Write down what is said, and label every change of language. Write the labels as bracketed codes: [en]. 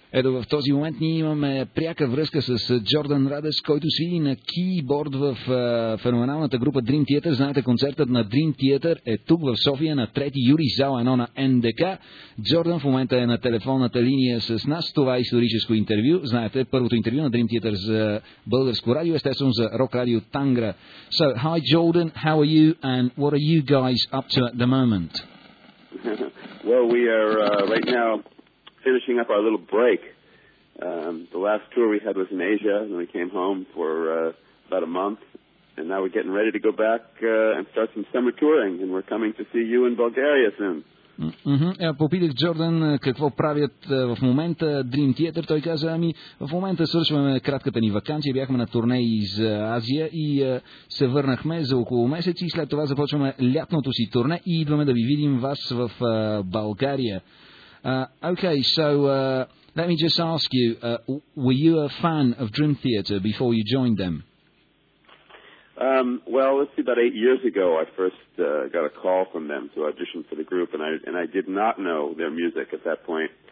[bg] Ето, в този момент ние имаме пряка връзка с Джордан Радес, който свири на кийборд в феноменалната група Dream Theater. Знаете, концертът на Dream Theater е тук в София на 3 юли, зала 1 на НДК. Джордан в момента е на телефонната линия с нас. Това е историческо интервю. Знаете, първото интервю на Dream Theater за българско радио, естествено за рок радио Тангра. [en] So, hi Jordan, how are you and what are you guys up to at the moment? Well, we are right now finishing up our little break. The last tour we had was in Asia, and we came home for about a month, and now we're getting ready to go back and start some summer touring, and we're coming to see you in Bulgaria soon. [bg] Попитах Джордан какво правят в момента Dream Theater. Той каза, ами в момента свършваме кратката ни ваканция, бяхме на турне из Азия и се върнахме за около месец и след това започваме лятното си турне и идваме да ви видим вас в България. [en] Okay, so let me just ask you, were you a fan of Dream Theater before you joined them? Well, let's see, about 8 years ago I first got a call from them to audition for the group, and I did not know their music at that point.